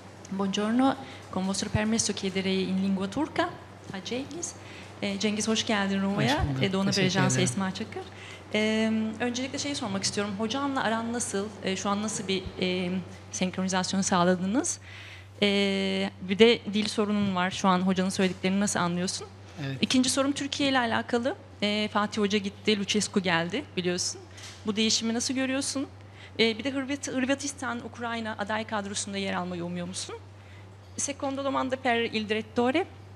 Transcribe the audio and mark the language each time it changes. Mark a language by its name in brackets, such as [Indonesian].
[Italian] Buongiorno, con vostro permesso chiederei in lingua turca a Cengiz. [Turkish] Cengiz hoş geldin Roma'ya. Edona Berejansı ismi açık. Öncelikle şeyi sormak istiyorum. Hocamla aran nasıl? Şu an nasıl bir senkronizasyon sağladınız? Bir de dil sorunun var. Şu an hocanın söylediklerini nasıl anlıyorsun? Evet. İkinci sorum Türkiye ile alakalı. Fatih Hoca gitti, Lucescu geldi biliyorsun. Bu değişimi nasıl görüyorsun? Bir de Hırvatistan, Ukrayna aday kadrosunda yer almayı umuyor musun? [Italian] Secondo domanda per il direttore.